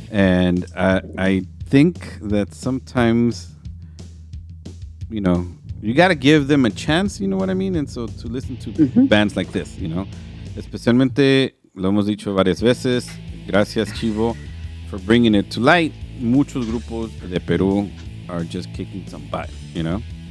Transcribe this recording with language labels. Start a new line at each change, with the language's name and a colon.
English: And I think that sometimes, you know, you got to give them a chance, you know what I mean? And so to listen to bands like this, you know.
Spanish: Especialmente, lo hemos dicho varias veces, gracias Chivo
English: for bringing it to light.
Spanish: Muchos grupos de Perú
English: are just kicking some butt, you know.